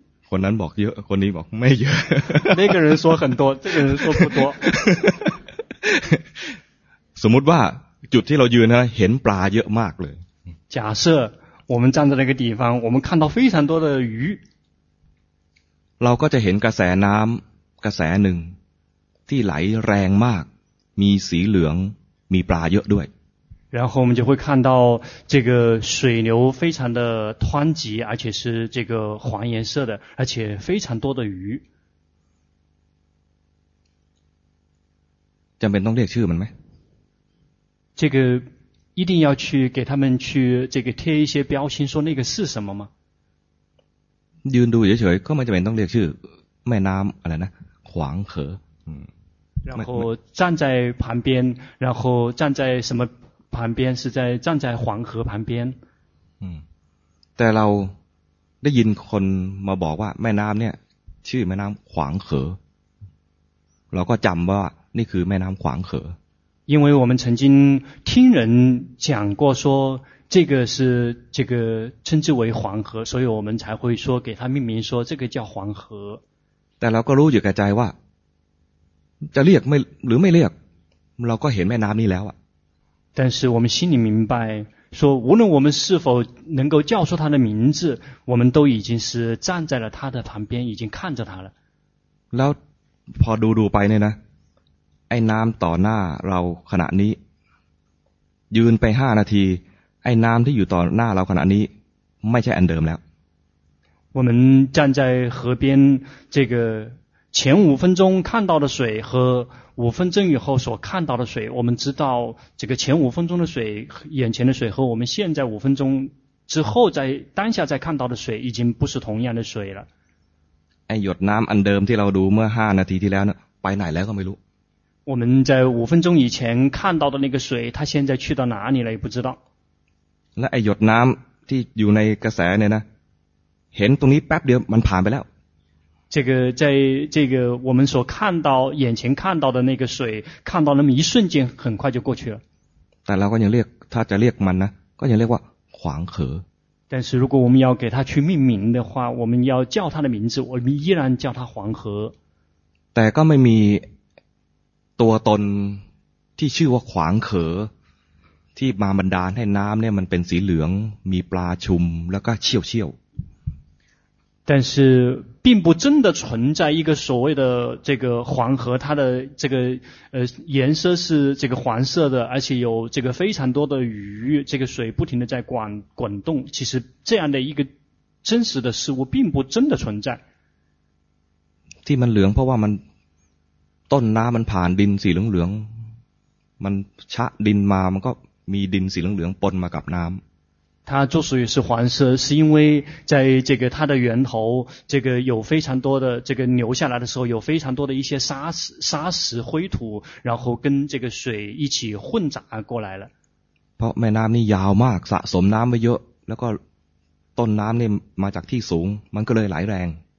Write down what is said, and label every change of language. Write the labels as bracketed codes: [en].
[th] คนนั้นบอกเยอะคนนี้บอกไม่เยอะ [zh] 那个人说很多这个人说不多 [th] สมมุติว่าจุดที่เรายืนนะเห็นปลาเยอะมากเลย [zh] 假设我们站在那个地方我们看到非常多的鱼 [th] เราก็จะเห็นกระแสน้ำกระแสหนึ่งที่ไหลแรงมากมีสีเหลืองมีปลาเยอะด้วย [zh] 然后我们就会看到这个水流非常的湍急而且是这个黄颜色的而且非常多的鱼 [th] จำเป็นต้องเรียกชื่อมันไหม [zh] 这个一定要去给他们去这个贴一些标签说那个是什么吗 [th] ยืนดูเฉยๆก็ไม่จำเป็นต้องเรียกชื่อแม่น้ำอะไรนะขวางเขอ [zh] 然后站在旁边然后站在什么旁边是在站在黄河旁边 [th] แต่เราได้ยินคนมาบอกว่าแม่น้ำเนี่ยชื่อแม่น้ำขวางเขอเราก็จำว่านี่คือแม่น้ำขวางเข [zh] อ因为我们曾经听人讲过说这个是这个称之为黄河所以我们才会说给它命名说这个叫黄河 [th] แต่เราก็รู้อยู่กับใจว่าจะเรียกไม่หรือไม่เรียกเราก็เห็นแม่น้ำนี้แล้วอะ [zh] 但是我们心里明白说无论我们是否能够叫出它的名字我们都已经是站在了它的旁边已经看着它了 [th] แล้วพอดูไปเนี่ยนะไอ้น้ำต่อหน้าเราขณะนี้ยืนไป5นาทีไอ้น้ำที่อยู่ต่อหน้าเราขณะนี้ไม่ใช่อันเดิมแล้ว [zh] 我们站在河边这个前5分钟看到的水和5分钟以后所看到的水我们知道这个前5分钟的水眼前的水和我们现在5分钟之后在当下再看到的水已经不是同样的水了 [th] ไอ้หยดน้ำอันเดิมที่เราดูเมื่อ5นาทีที่แล้วไปไหนแล้วก็ไม่รู้ [zh] 我们在五分钟以前看到的那个水它现在去到哪里了也不知道 [th] 那ไอ้หยดน้ำที่อยู่ในกระแสเนี่ยนะเห็นตรงนี้แป๊บเดียวมันผ่านไปแล้ว [zh] 这个在这个我们所看到眼前看到的那个水看到那么一瞬间很快就过去了 [th] แต่เราก็ยังเรียกถ้าจะเรียกมันนะก็ยังเรียกว่าขวางเข [zh] อ但是如果我们要给它去命名的话我们要叫它的名字我们依然叫它黄河 [th] แต่ก็ไม่มีตัวตนที่ชื่อว่าขวางเขอที่มาบันดาลให้น้ำเนี่ยมันเป็นสีเหลืองมีปลาชุมแล้วก็เชี่ยวเชี่ยว [zh] 但是并不真的存在一个所谓的这个黄河它的这个颜色是这个黄色的而且有这个非常多的鱼这个水不停的在滚动其实这样的一个真实的事物并不真的存在。 [th] ที่มันเหลืองเพราะว่ามันต้นน้ำมันผ่านดินสีเหลืองๆมันชะดินมามันก็มีดินสีเหลืองๆปนมากับน้ำ [zh] 它之所以是黄色，是因为在这个它的源头，这个有非常多的这个流下来的时候，有非常多的一些沙石、灰土，然后跟这个水一起混杂过来了。 [th] เพราะแม่น้ำนี่ยาวมากสะสมน้ำไว้เยอะแล้วก็ต้นน้ำนี่มาจากที่สูงมันก็เลยไหลแรง。